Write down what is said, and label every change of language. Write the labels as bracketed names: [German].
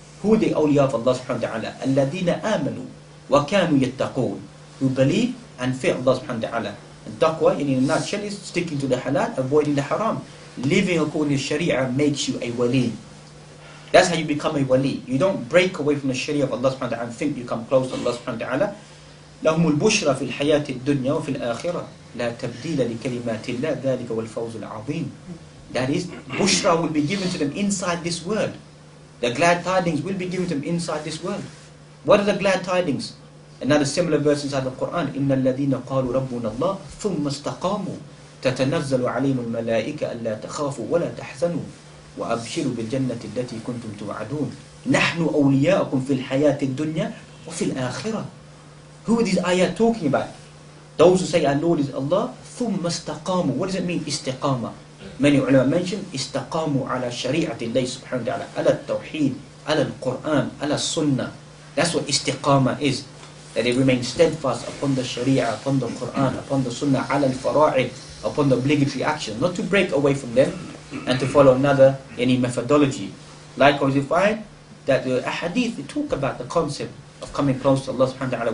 [English] Who are the awliya of Allah subhanahu wa ta'ala? [Arabic] الَّذِينَ آمَنُوا وَكَانُوا يَتَّقُونَ. [English] Who believe and fear Allah subhanahu wa ta'ala. And taqwa, in a nutshell, is sticking to the halal, avoiding the haram. Living according to the sharia makes you a wali. That's how you become a wali. You don't break away from the sharia of Allah subhanahu wa ta'ala and think you come close to Allah subhanahu wa ta'ala. [Arabic] لَهُمُ الْبُشْرَى فِي الْحَيَاةِ الدُّنْيَا وَفِي الْآخِرَةِ لا تبديل لكلمات الله ذلك والفوز العظيم. [English] That is, bushra will be given to them inside this world. The glad tidings will be given to them inside this world. What are the glad tidings? Another similar verse inside the Quran. [Arabic] إن الذين قالوا ربنا الله ثم استقاموا تتنزل عليهم الملائكة ألا تخافوا ولا تحزنوا وأبشروا بالجنة التي كنتم توعدون نحن أولياءكم في الحياة الدنيا وفي الآخرة. [English] Who are these ayat talking about? Those who say our Lord is Allah, [Arabic] ثم استقاموا. [English] What does it mean, استقامة? Many ulama mention, [Arabic] استقاموا على شريعة الله سبحانه وتعالى. على التوحيد, على القرآن, على السنة. [English] That's what استقامة is. That they remain steadfast upon the Sharia, upon the Quran, upon the Sunnah, [Arabic] على الفرائض, [English] upon the obligatory action. Not to break away from them and to follow another any methodology. Likewise, you find that the ahadith, they talk about the concept of coming close to Allah subhanahu wa ta'ala.